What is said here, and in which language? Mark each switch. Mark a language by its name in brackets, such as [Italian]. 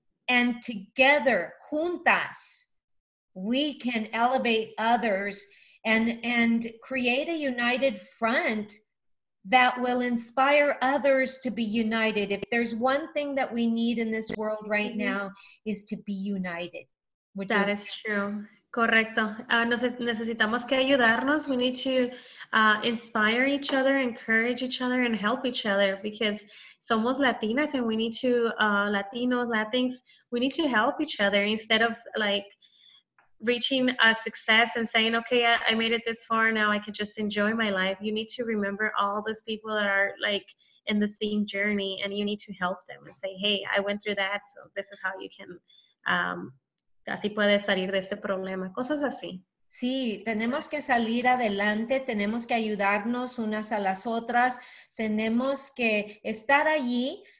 [English] And together, juntas, we can elevate others and create a united front that will inspire others to be united. If there's one thing that we need in this world right now, is to be united. That is true. Correcto. [Spanish] Necesitamos que ayudarnos. [English] We need to inspire each other, encourage each other, and help each other because [Spanish] somos Latinas [English] and we need to, Latinos, Latins, we need to help each other instead of like reaching a success and saying, okay, I made it this far, now I can just enjoy my life. You need to remember all those people that are like in the same journey and you need to help them and say, hey, I went through that, so this is how you can... [Spanish] así puedes salir de este problema. Cosas así. Sí, tenemos que salir adelante, tenemos que ayudarnos unas a las otras, tenemos que estar allí.